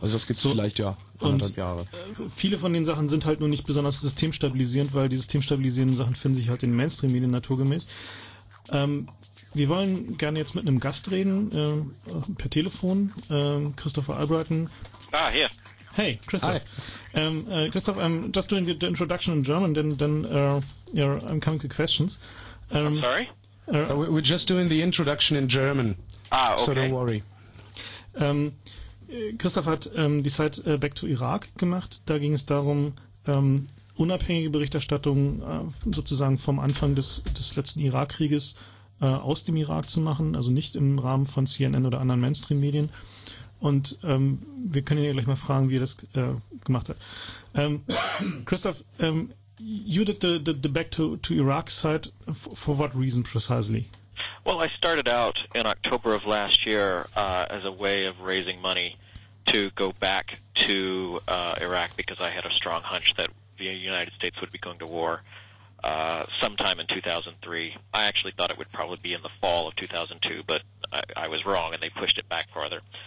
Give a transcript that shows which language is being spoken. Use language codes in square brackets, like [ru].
[de] Also das gibt es so, vielleicht ja anderthalb Jahre. Viele von den Sachen sind halt nur nicht besonders systemstabilisierend, weil die systemstabilisierenden Sachen finden sich halt in Mainstream-Medien naturgemäß. Wir wollen gerne jetzt mit einem Gast reden, per Telefon, Christopher Albrighton. Ah, hier. Hey, Christoph. Hi. [en] Christoph, I'm just doing the introduction in German, then I'm coming to questions. Sorry? We're just doing the introduction in German, So don't worry. [de] Christoph hat die Zeit Back to Iraq gemacht. Da ging es darum, unabhängige Berichterstattung sozusagen vom Anfang des letzten Irakkrieges aus dem Irak zu machen, also nicht im Rahmen von CNN oder anderen Mainstream-Medien. Und wir können ihn ja gleich mal fragen, wie er das gemacht hat. [en] Christoph, you did the back to Iraq side for what reason precisely? Well, I started out in October of last year as a way of raising money to go back to Iraq because I had a strong hunch that the United States would be going to war sometime in 2003. I actually thought it would probably be in the fall of 2002, but I was wrong and they pushed it back farther.